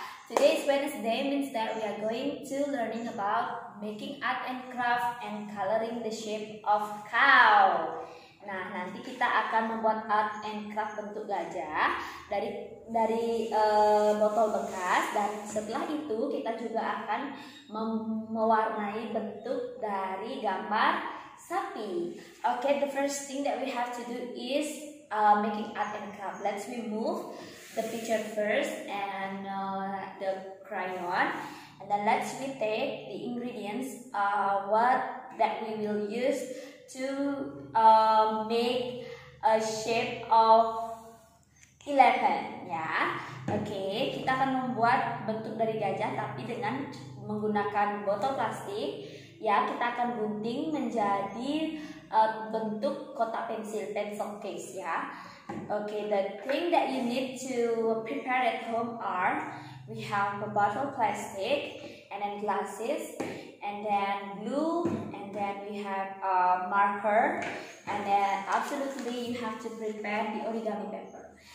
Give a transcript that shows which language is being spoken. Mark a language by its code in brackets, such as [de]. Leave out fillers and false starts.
[en] Today is Wednesday, means that we are going to learning about making art and craft and coloring the shape of cow. [id] Nah, nanti kita akan membuat art and craft bentuk gajah dari botol bekas, dan setelah itu kita juga akan mewarnai bentuk dari gambar sapi. [en] Okay, the first thing that we have to do is making art and craft. Let's remove the picture first and the crayon, and then let's we take the ingredients what that we will use to make a shape of elephant, ya. [id] Okay, kita akan membuat bentuk dari gajah tapi dengan menggunakan botol plastik. Ya, kita akan gunting menjadi bentuk kotak pensil case, ya. [en] Okay, the thing that you need to prepare at home are we have a bottle plastic and then glasses and then glue. Then we have a marker, and then absolutely you have to prepare the origami paper.